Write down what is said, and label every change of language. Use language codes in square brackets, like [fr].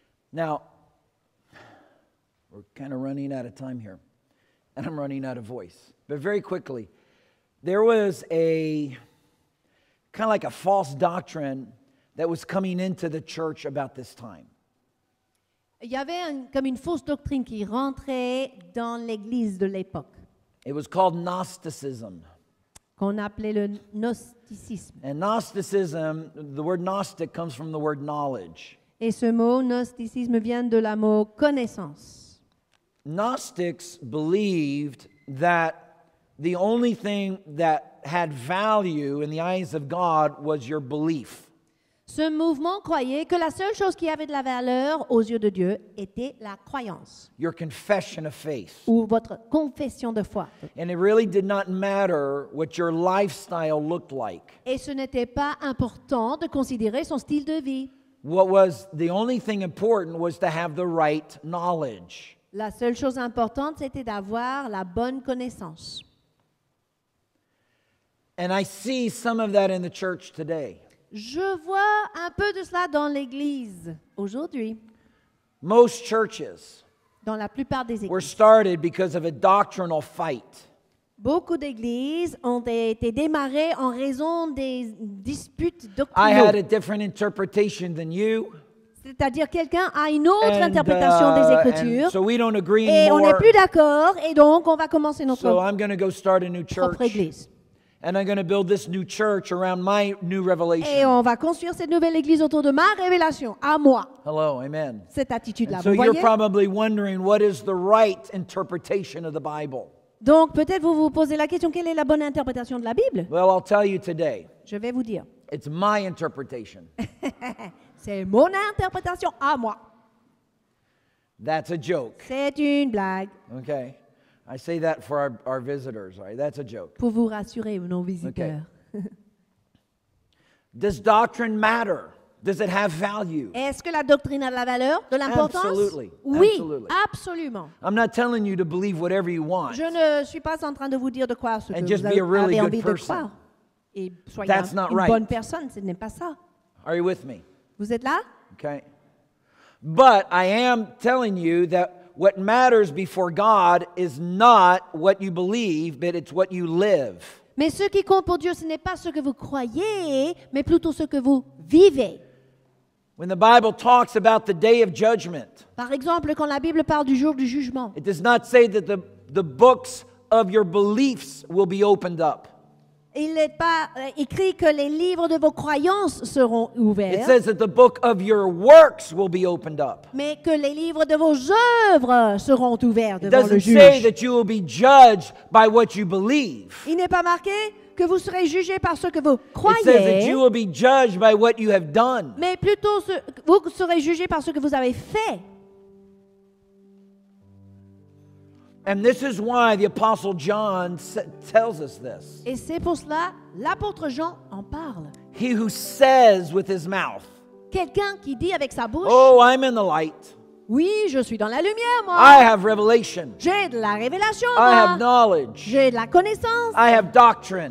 [en] Now, we're kind of running out of time here. And I'm running out of voice. But very quickly, there was a kind of like a false doctrine that was coming into the church about this time. [fr] Il y avait comme une fausse doctrine qui rentrait dans l'église de l'époque. [en] It was called Gnosticism. [fr] Qu'on appelait le gnosticisme. [en] And Gnosticism, the word Gnostic comes from the word knowledge. [fr] Et ce mot gnosticisme vient de la mot connaissance. [en] Gnostics believed that the only thing that had value in the eyes of God was your belief. [fr] Ce mouvement croyait que la seule chose qui avait de la valeur aux yeux de Dieu était la croyance. [en] Your confession of faith. [fr] Ou votre confession de foi. [en] And it really did not matter what your lifestyle looked like. [fr] Et ce n'était pas important de considérer son style de vie. [en] What was the only thing important was to have the right knowledge. [fr] La seule chose importante, c'était d'avoir la bonne connaissance. [en] And I see some of that in the church today. [fr] Je vois un peu de cela dans l'église aujourd'hui. [en] Most churches. [fr] dans la plupart des églises. [en] Were started because of a doctrinal fight. [fr] Beaucoup d'églises ont été démarrées en raison des disputes doctrinales. [en] I had a different interpretation than you. [fr] C'est-à-dire quelqu'un a une autre interprétation des Écritures. [en] So we don't agree [fr] et [en] anymore. [fr] On n'est plus d'accord et donc on va commencer notre [en] so I'm gonna go start a new church. [fr] Propre église. [en] And I'm going to build this new church around my new revelation. [fr] Et on va construire cette nouvelle église autour de ma révélation, à moi. [en] Hello, amen. [fr] Cette attitude-là, [en] so [fr] vous voyez? [en] So you're probably wondering what is the right interpretation of the Bible. [fr] Donc peut-être vous vous posez la question, quelle est la bonne interprétation de la Bible? [en] Well, I'll tell you today. [fr] Je vais vous dire. [en] It's my interpretation. [fr] C'est mon interprétation à moi. [en] That's a joke. [fr] C'est une blague. [en] Okay. I say that for our visitors, right? That's a joke. [fr] Pour vous rassurer, nos visiteurs. [en] Does doctrine matter? Does it have value? [fr] Est-ce que la doctrine a de la valeur, de l'importance? [en] Absolutely. [fr] Oui, [en] absolutely. [fr] Absolument. [en] I'm not telling you to believe whatever you want. [fr] Je ne suis pas en train de vous dire de croire ce [en] and [fr] que vous [en] be a really [fr] avez [en] good person. [fr] De croire. Et soyez [en] that's not [fr] une [en] right. [fr] bonne personne, ce n'est pas ça. [en] Are you with me? [fr] Vous êtes là? [en] Okay. But I am telling you that what matters before God is not what you believe, but it's what you live. [fr] Mais ce qui compte pour Dieu, ce n'est pas ce que vous croyez, mais plutôt ce que vous vivez. [en] When the Bible talks about the day of judgment, [fr] par exemple, quand la Bible parle du jour du jugement, [en] it does not say that the books of your beliefs will be opened up. [fr] Il n'est pas écrit que les livres de vos croyances seront ouverts. [en] It says that the book of your works will be opened up. [fr] Mais que les livres de vos œuvres seront ouverts devant le juge. [en] It doesn't say that you will be judged by what you believe. [fr] Il n'est pas marqué que vous serez jugé par ce que vous croyez. [en] It says that you will be judged by what you have done. [fr] Mais plutôt vous serez jugé par ce que vous avez fait. [en] And this is why the Apostle John tells us this. [fr] Et c'est pour cela l'apôtre Jean en parle. [en] He who says with his mouth. [fr] Quelqu'un qui dit avec sa bouche. [en] Oh, I'm in the light. [fr] Oui, je suis dans la lumière, moi. [en] I have revelation. [fr] J'ai de la révélation, moi. [en] I have knowledge. [fr] J'ai de la connaissance. [en] I have doctrine.